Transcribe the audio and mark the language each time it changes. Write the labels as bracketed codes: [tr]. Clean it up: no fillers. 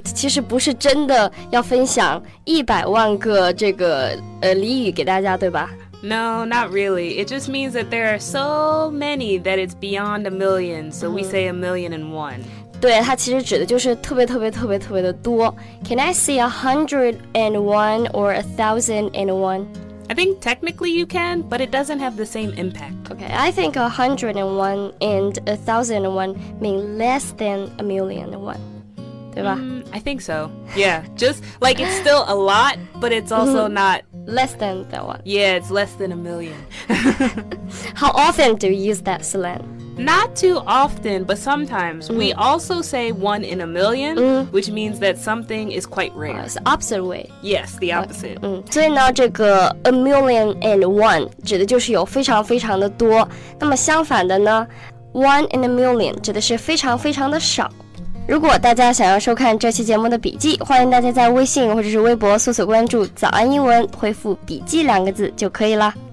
[zh] 其实不是真的要分享100,000个这个俚语给大家，对吧？ [en] No, not really. It just means that there are so many that it's beyond 1,000,000, so we say 1,000,001. [zh] 对，它其实指的就是特别特别特别特别的多。 [en] Can I say 101 or 1,001? I think technically you can, but it doesn't have the same impact. Okay, I think 101 and 1,001 mean less than 1,000,001, [zh] 对吧？ [en] I think so. Yeah, just like it's still a lot, but it's also not... Less than that one. Yeah, it's less than 1,000,000. How often do you use that slang? Not too often, but sometimes. We also say 1 in 1,000,000, which means that something is quite rare. It's the opposite way. Yes, the opposite. [zh] 所以呢，这个 1,000,001 指的就是有非常非常的多。那么相反的呢， 1 in 1,000,000 指的是非常非常的少。如果大家想要收看这期节目的笔记，欢迎大家在微信或者是微博搜索关注早安英文，回复笔记两个字就可以了。